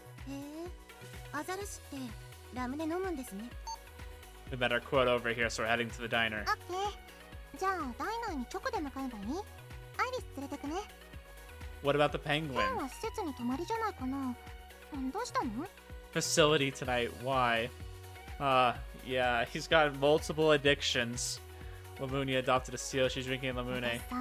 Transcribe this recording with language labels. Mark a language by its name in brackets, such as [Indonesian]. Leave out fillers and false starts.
[Japanese] へえ、アザラシってラムネ飲むんですね。 [English] We met our quota over here, so we're heading to the diner. Okay. [Japanese] じゃあダイナーに直で向かえばいい。アイリス連れてくね。 [English] What about the penguin? [Japanese] 今日は施設に泊まりじゃないかな。どうしたの？ [English] Facility tonight. Why? Yeah, he's got multiple addictions. Lamunia adopted a seal. She's drinking Lamune.